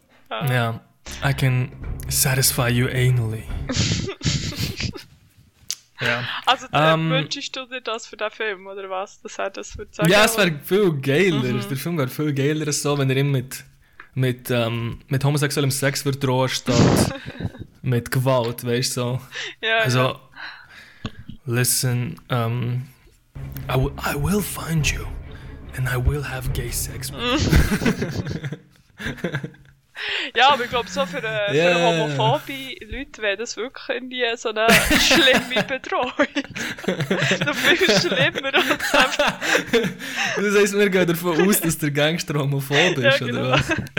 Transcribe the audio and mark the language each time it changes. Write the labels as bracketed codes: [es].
[en] Yeah, I can satisfy you anally. Yeah. [de] Also, wünschst du dir das für den Film, oder was? Das hat das für sagen. Ja, es wäre viel geiler. Mhm. Der Film wäre viel geiler, so, wenn er ihm mit homosexuellem Sex wird drohen, statt mit Gewalt, weißt du? So. Ja, also, ja. [en] Listen, I will find you, and I will have gay sex. [de] Ja, aber ich glaube, so für homophobe Leute wäre das wirklich irgendwie so eine schlimme Bedrohung. Viel schlimmer. Das heisst, wir gehen davon aus, dass der Gangster homophob ist, ja, genau. Oder was?